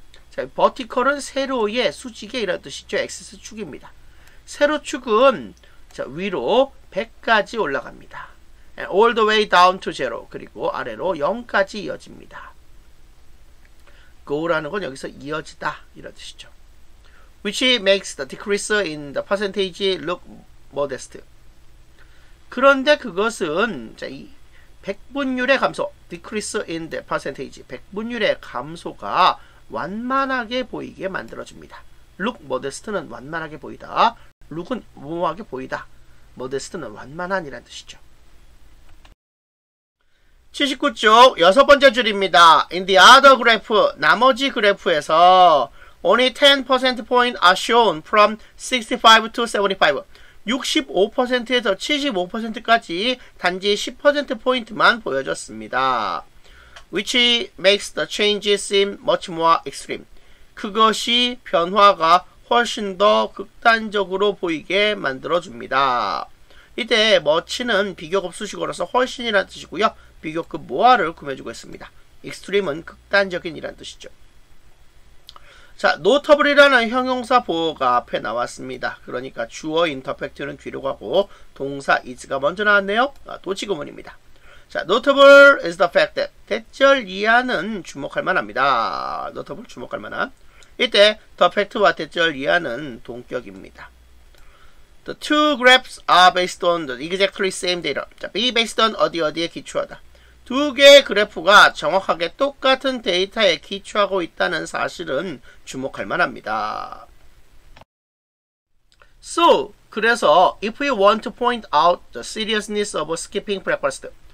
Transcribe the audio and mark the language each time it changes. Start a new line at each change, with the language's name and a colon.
Korean: 자, vertical은 세로의 수직의 이런 뜻이죠. axis 축입니다. 세로축은 자, 위로 100까지 올라갑니다.
English: And all the way down to 0,
Korean: 그리고 아래로 0까지 이어집니다. go라는 건 여기서 이어지다 이런 뜻이죠.
English: which makes the decrease in the percentage look modest.
Korean: 그런데 그것은 자, 이 백분율의 감소,
English: decrease in the percentage,
Korean: 백분율의 감소가 완만하게 보이게 만들어줍니다. look modest는 완만하게 보이다. look은 무모하게 보이다. modest는 완만한 이란 뜻이죠. 79쪽 여섯 번째 줄입니다.
English: In the other graph,
Korean: 나머지 그래프에서
English: Only 10% point are shown from 65 to 75.
Korean: 65%에서 75%까지 단지 10% 포인트만 보여줬습니다.
English: Which makes the changes seem much more extreme.
Korean: 그것이 변화가 훨씬 더 극단적으로 보이게 만들어줍니다. 이때 much는 비교급 수식어로서 훨씬이라는 뜻이고요. 비교급 모아를 꾸며주고 있습니다. extreme은 극단적인이라는 뜻이죠. 자, notable이라는 형용사 보호가 앞에 나왔습니다. 그러니까 주어 imperfect는 뒤로 가고 동사 is가 먼저 나왔네요. 도치구문입니다. 자,
English: notable is the fact that
Korean: 대절 이하는 주목할 만합니다. notable 주목할 만한. 이때 the fact와 대절 이하는 동격입니다.
English: The two graphs are based on the exactly same data.
Korean: 자,
English: be based on
Korean: 어디 어디에 기초하다. 두 개의 그래프가 정확하게 똑같은 데이터에 기초하고 있다는 사실은 주목할 만합니다.
English: So,
Korean: 그래서
English: if we want to point out the seriousness of skipping breakfast.